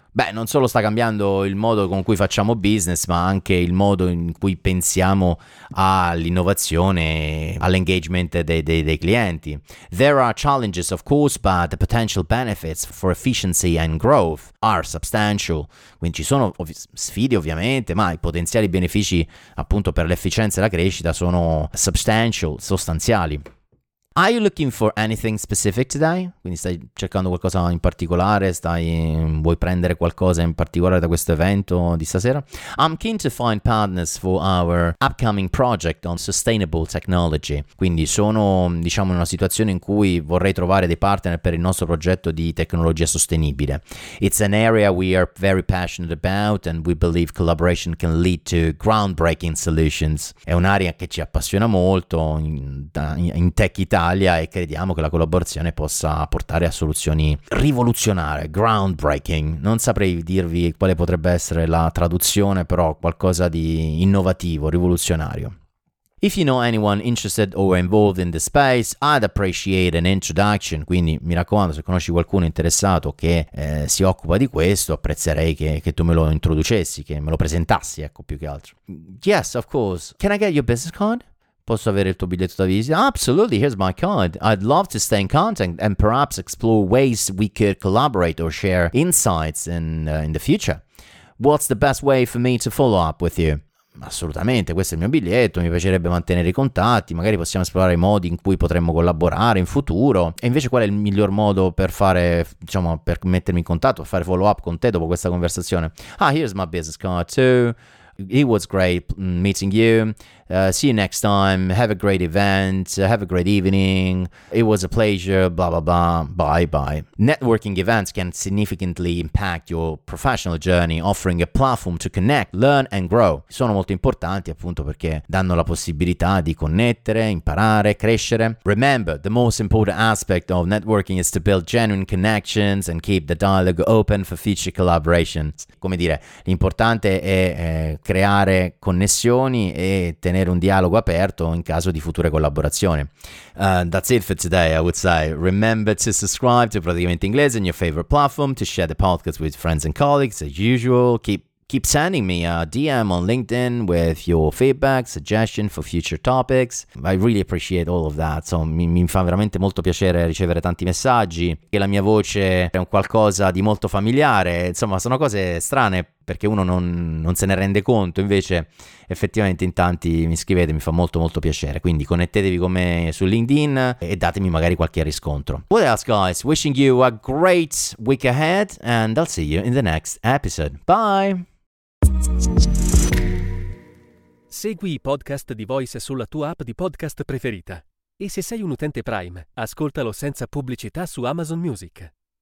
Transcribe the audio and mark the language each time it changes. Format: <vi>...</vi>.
<it>Beh, non solo sta cambiando il modo con cui facciamo business, ma anche il modo in cui pensiamo all'innovazione, all'engagement dei clienti.</it> <en>There are challenges, of course, but the potential benefits for efficiency and growth are substantial.</en> <it>Quindi ci sono sfide, ovviamente, ma i potenziali benefici, appunto, per l'efficienza e la crescita sono substantial, sostanziali.</it> <en>Are you looking for anything specific today?</en> <it>Quindi stai cercando qualcosa in particolare? Vuoi prendere qualcosa in particolare da questo evento di stasera?</it> <en>I'm keen to find partners for our upcoming project on sustainable technology.</en> <it>Quindi sono, diciamo, in una situazione in cui vorrei trovare dei partner per il nostro progetto di tecnologia sostenibile.</it> <en>It's an area we are very passionate about and we believe collaboration can lead to groundbreaking solutions.</en> <it>È un'area che ci appassiona molto in tech Italia e crediamo che la collaborazione possa portare a soluzioni rivoluzionarie, groundbreaking. Non saprei dirvi quale potrebbe essere la traduzione, però qualcosa di innovativo, rivoluzionario.</it> <en>If you know anyone interested or involved in the space, I'd appreciate an introduction.</en> <it>Quindi mi raccomando, se conosci qualcuno interessato che si occupa di questo, apprezzerei che tu me lo introducessi, che me lo presentassi, ecco, più che altro.</it> <en>Yes, of course. Can I get your business card?</en> <it>Posso avere il tuo biglietto da visita?</it> <en>Absolutely, here's my card. I'd love to stay in contact and perhaps explore ways we could collaborate or share insights in the future. What's the best way for me to follow up with you?</en> <it>Assolutamente, questo è il mio biglietto, mi piacerebbe mantenere i contatti, magari possiamo esplorare i modi in cui potremmo collaborare in futuro. E invece qual è il miglior modo per fare, diciamo, per mettermi in contatto, per fare follow up con te dopo questa conversazione?</it> <en>Ah, here's my business card too. It was great meeting you. See you next time. Have a great event. Have a great evening. It was a pleasure. Blah, blah, blah. Bye, bye. Networking events can significantly impact your professional journey, offering a platform to connect, learn and grow.</en> <it>Sono molto importanti, appunto, perché danno la possibilità di connettere, imparare, crescere.</it> <en>Remember, the most important aspect of networking is to build genuine connections and keep the dialogue open for future collaborations.</en> <it>Come dire, l'importante è creare connessioni e tenere un dialogo aperto in caso di future collaborazioni.</it> <en>That's it for today, I would say. Remember to subscribe to Praticamente Inglese in your favorite platform, to share the podcast with friends and colleagues as usual. Keep keep sending me a DM on LinkedIn with your feedback, suggestion for future topics. I really appreciate all of that.</en> <it>So mi fa veramente molto piacere ricevere tanti messaggi, che la mia voce è un qualcosa di molto familiare. Insomma, sono cose strane perché uno non se ne rende conto, invece effettivamente in tanti mi scrivete, mi fa molto molto piacere. Quindi connettetevi con me su LinkedIn e datemi magari qualche riscontro.</it> <en>What else, guys? Wishing you a great week ahead and I'll see you in the next episode. Bye!</en> <it>Segui i podcast di Voice sulla tua app di podcast preferita. E se sei un utente Prime, ascoltalo senza pubblicità su Amazon Music.</it>